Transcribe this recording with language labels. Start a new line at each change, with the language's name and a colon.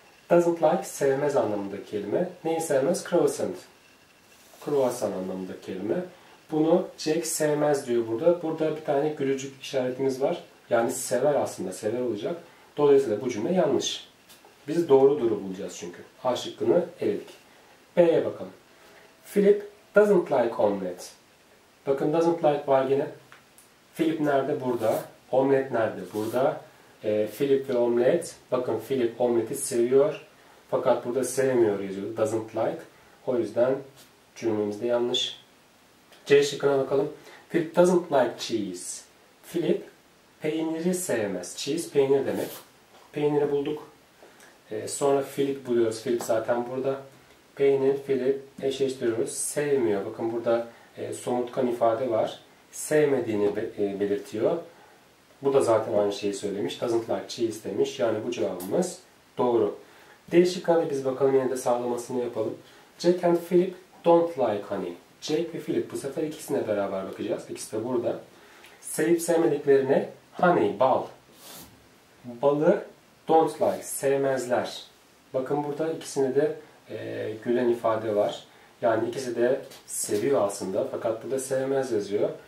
English: Doesn't like
Turkish: sevmez anlamındaki kelime. Neyi sevmez? Croissant. Croissant anlamındaki kelime. Bunu Jack sevmez diyor burada. Burada bir tane gülücük işaretimiz var. Yani sever aslında, sever olacak. Dolayısıyla bu cümle yanlış. Biz doğrudur'u bulacağız çünkü. A şıkkını eledik. B'ye bakalım.
English: Philip doesn't like omelet.
Turkish: Bakın
English: doesn't like
Turkish: var gene. Philip nerede? Burada. Omlet nerede? Burada. Philip ve omlet. Bakın Philip omleti seviyor. Fakat burada sevmiyor yazıyor.
English: Doesn't like.
Turkish: O yüzden cümlemiz de yanlış. C şıkkına bakalım.
English: Philip doesn't like cheese.
Turkish: Philip peyniri sevmez. Cheese peynir demek. Peyniri bulduk. Sonra Philip buluyoruz. Philip zaten burada. Peynir, Philip eşleştiriyoruz. Sevmiyor. Bakın burada somutkan ifade var. Sevmediğini belirtiyor. Bu da zaten aynı şeyi söylemiş.
English: Doesn't like cheese
Turkish: demiş. Yani bu cevabımız doğru. D şıkkına biz bakalım. Yine de sağlamasını yapalım.
English: Jack and Philip don't like honey.
Turkish: Jack ve Philip. Bu sefer ikisine beraber bakacağız. İkisi de burada. Sevip sevmediklerine honey, bal. Balı
English: don't like,
Turkish: sevmezler. Bakın burada ikisine de gülen ifade var. Yani ikisi de seviyor aslında. Fakat burada sevmez yazıyor.